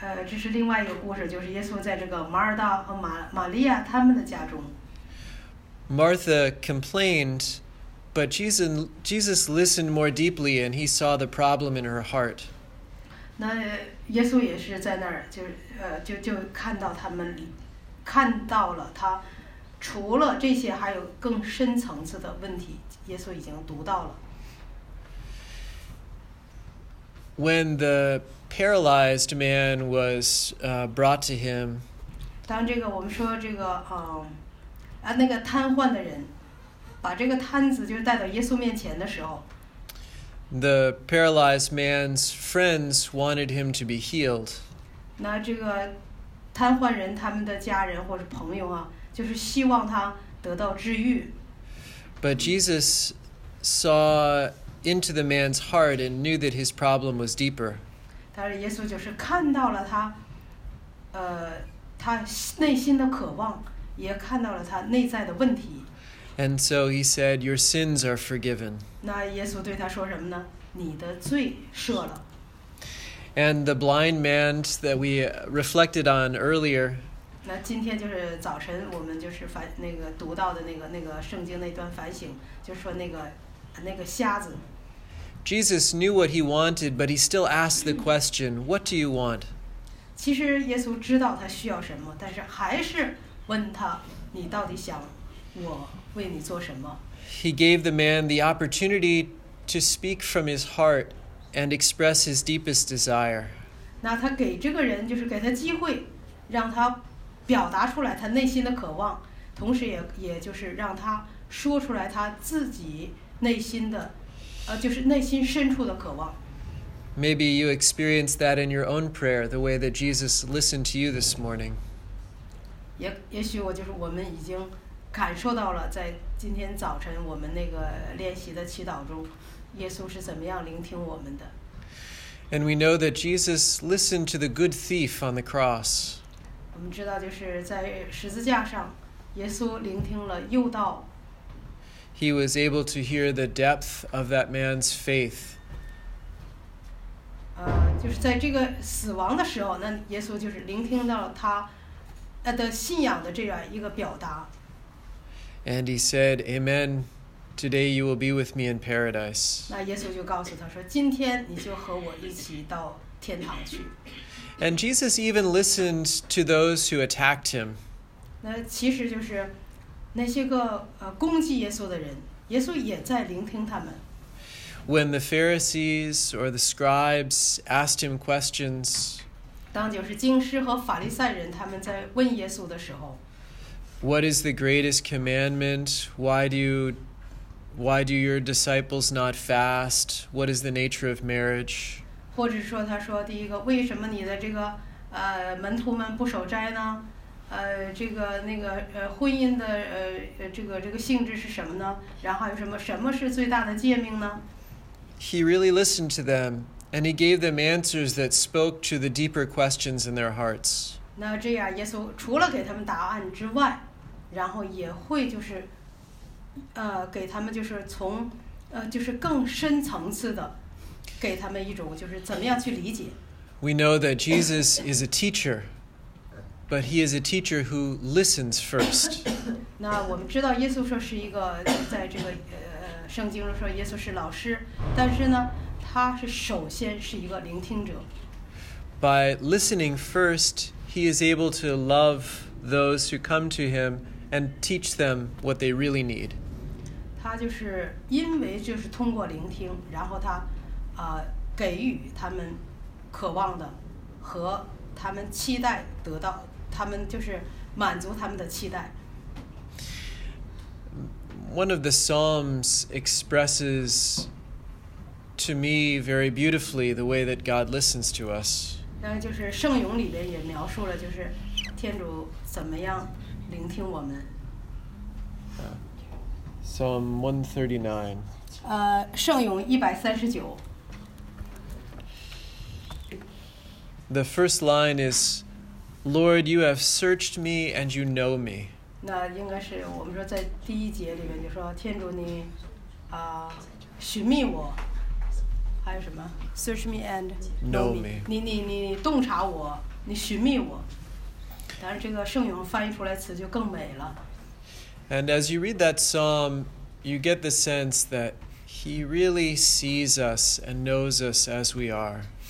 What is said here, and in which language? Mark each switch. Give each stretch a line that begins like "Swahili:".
Chinese: 这是另外一个故事，就是耶稣在这个马尔大和玛利亚他们的家中。
English: Martha complained, but Jesus listened more deeply and he saw the problem in her heart.
Chinese: 那耶稣也是在那儿，就看到他们，看到了他，除了这些还有更深层次的问题，耶稣已经读到了。
English: When the paralyzed man was brought to him,
Chinese: 当这个我们说这个那个瘫痪的人把这个瘫子就带到耶稣面前的时候，
English: the paralyzed man's friends wanted him to be healed.
Chinese: 那这个瘫痪人他们的家人或者朋友啊，就是希望他得到治愈。
English: But Jesus saw into the man's heart and knew that his problem was deeper.
Chinese: 但是耶稣就是看到了他他内心的渴望，也看到了他内在的问题。
English: And so he said, "Your sins are forgiven."
Chinese: 那耶稣对他说什么呢？你的罪赦了。
English: And the blind man that we reflected on earlier.
Chinese: 那今天就是早晨我们就是反那个读到的那个圣经那段反省，就说那个瞎子。
English: Jesus knew what he wanted, but he still asked the question, "What do you want?"
Chinese: 其实耶稣知道他需要什么，但是还是问他，你到底想我为你做什么？
English: He gave the man the opportunity to speak from his heart and express his deepest desire.
Chinese: 那他给这个人就是给他机会，让他表达出来他内心的渴望，同时也就是让他说出来他自己内心的。就是内心深处的渴望。
English: Maybe you experienced that in your own prayer, the way that Jesus listened to you this morning.
Chinese: 也许我就是我们已经感受到了，在今天早晨我们那个练习的祈祷中，耶稣是怎么样聆听我们的。
English: And we know that Jesus listened to the good thief on the cross.
Chinese: 我们知道就是在十字架上，耶稣聆听了诱盗。
English: He was able to hear the depth of that man's faith.
Chinese: 就是在这个死亡的时候，那耶稣就是聆听到了他的信仰的这样一个表达。
English: And he said, "Amen. Today you will be with me in paradise."
Chinese: 那耶稣就告诉他说，今天你就和我一起到天堂去。
English: And Jesus even listened to those who attacked him.
Chinese: 那其实就是。那些个攻击耶稣的人，耶稣也在聆听他们。
English: When the Pharisees or the scribes asked him questions,
Chinese: 当就是经师和法利赛人他们在问耶稣的时候，
English: What is the greatest commandment? Why do your disciples not fast? What is the nature of marriage?
Chinese: 或者说他说第一个，为什么你的这个门徒们不守斋呢？婚姻的这个性质是什么呢？然后有什么是最大的诫命呢？
English: He really listened to them, and he gave them answers that spoke to the deeper questions in their hearts.
Chinese: 那这样，耶稣除了给他们答案之外，然后也会就是，给他们就是从，就是更深层次的，给他们一种就是怎么样去理解。
English: We know that Jesus is a teacher. But he is a teacher who listens first.
Chinese: 那我们知道耶稣说是一个在这个圣经中说耶稣是老师，但是呢，他是首先是一个聆听者。
English: By listening first, he is able to love those who come to him and teach them what they really need.
Chinese: 他就是因为就是通过聆听，然后他给予他们渴望的和他们期待得到。他们就是满足他们的期待。
English: One of the Psalms expresses to me very beautifully the way that God listens to us.
Chinese: 那就是圣咏里边也描述了，就是天主怎么样聆听我们。
English: Psalm 139.
Chinese: 圣咏139.
English: The first line is. Lord, you have searched me and you know me.
Chinese: 那应该是我们说在第一节里面就说天主你寻觅我，还有什么
English: search me and know me.
Chinese: 你洞察我，你寻觅我。但是这个圣咏翻译出来词就更美了。
English: And as you read that psalm, you get the sense that he really sees us and knows us as we are.